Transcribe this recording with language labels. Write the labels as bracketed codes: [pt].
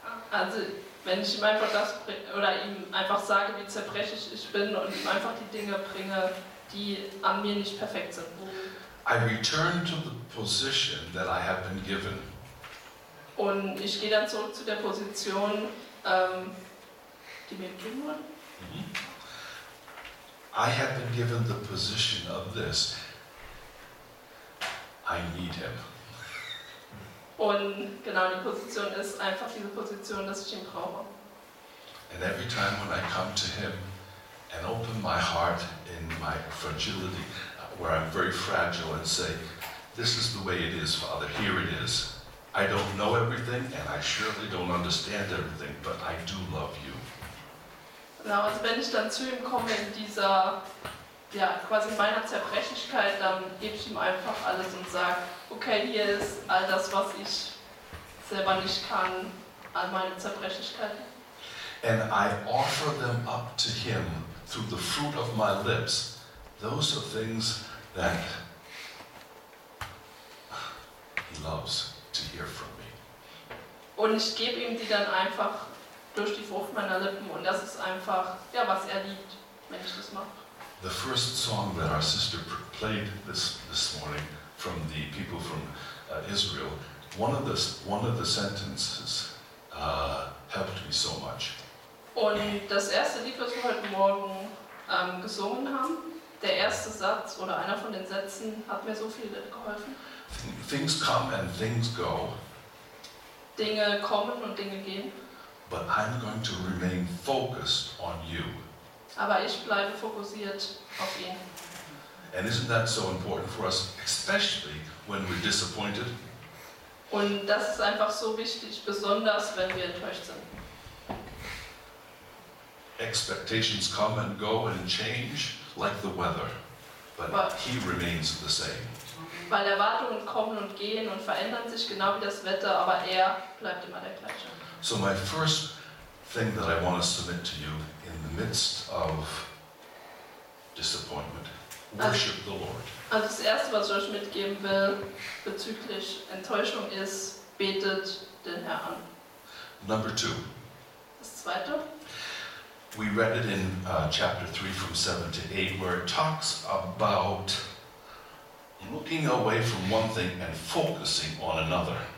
[de] Also wenn ich ihm einfach das oder ihm einfach sage, wie zerbrechlich ich bin und ihm einfach die Dinge bringe, die an mir nicht perfekt sind. [en] I return to the position that I have been given. [de] Und ich gehe dann zurück zu der Position, die mir gegeben wurde. [en] I have been given the position of this. I need him. [de] Und genau, die Position ist einfach diese Position, dass ich ihn brauche. [en] And every time when I come to him and open my heart in my fragility, where I'm very fragile and say, this is the way it is, Father, here it is. I don't know everything and I surely don't understand everything, but I do love you. [de] Genau, also wenn ich dann zu ihm komme in dieser, ja, quasi in meiner Zerbrechlichkeit, dann gebe ich ihm einfach alles und sage, okay, hier ist all das, was ich selber nicht kann, all meine Zerbrechlichkeiten. [en] And I offer them up to him through the fruit of my lips. Those are things that he loves to hear from me. [de] Und ich gebe ihm die dann einfach durch die Frucht meiner Lippen und das ist einfach, ja, was er liebt, wenn ich das mache. [en] The first song that our sister played this morning from the people from Israel, one of the sentences helped me so much. [de] Und das erste Lied, was wir heute Morgen gesungen haben, der erste Satz oder einer von den Sätzen hat mir so viel geholfen. [en] Things come and things go. [de] Dinge kommen und Dinge gehen. [en] But I'm going to remain focused on you. [de] Aber ich bleibe fokussiert auf ihn. [en] And isn't that so important for us, especially when we're disappointed? [de] Und das ist einfach so wichtig, besonders wenn wir enttäuscht sind. [en] Expectations come and go and change like the weather, but he remains the same. [de] Weil Erwartungen kommen und gehen und verändern sich genau wie das Wetter, aber er bleibt immer der gleiche. [en] So my first thing that I want to submit to you in the midst of disappointment, worship the Lord. [de] Also das erste, was ich euch mitgeben will bezüglich Enttäuschung ist, betet den Herrn an. [en] Number two. [de] Das zweite. [en] We read it in chapter 3 from 7 to 8 where it talks about looking away from one thing and focusing on another.